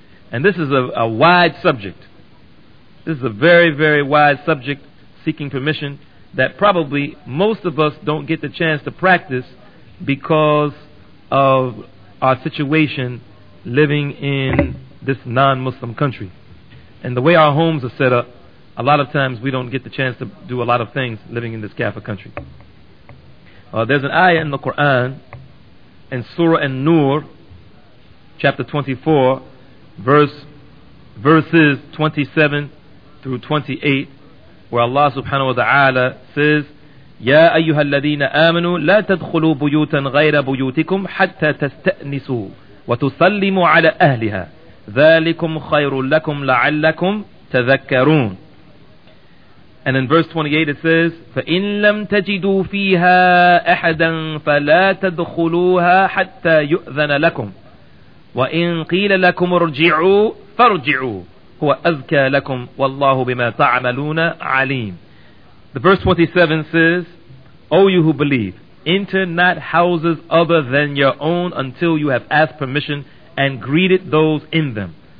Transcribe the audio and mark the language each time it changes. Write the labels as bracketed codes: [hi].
[en] And this is a wide subject. This is a very, very wide subject, seeking permission, that probably most of us don't get the chance to practice because of our situation living in this non-Muslim country. And the way our homes are set up, a lot of times we don't get the chance to do a lot of things living in this kafir country. There's an ayah in the Quran, in Surah An-Nur, chapter 24, verses 27 through 28, where Allah subhanahu wa ta'ala says, [ar] يَا أَيُّهَا الَّذِينَ آمَنُوا لَا تَدْخُلُوا بُيُوتًا غَيْرَ بُيُوتِكُمْ حَتَّى تَسْتَأْنِسُوا وَتُسَلِّمُوا عَلَىٰ أَهْلِهَا ذَلِكُمْ خَيْرٌ لَكُمْ لَعَلَّكُمْ تَذَكَّرُونَ. [en] And in verse 28 it says, [ar] فَإِن لَمْ تَجِدُوا فِيهَا أَحَدًا فَلَا تَدْخُلُوهَا حَتَّى يُؤْذَنَ لَكُمْ وَإِن قِيلَ لَكُمْ ارْجِعُوا فَارْجِعُوا هُوَ أَزْكَى لَكُمْ وَاللَّهُ بِمَا تَعْمَلُونَ عَلِيمٌ. [en] The verse 27 says, O you who believe, enter not houses other than your own until you have asked permission and greeted those in them.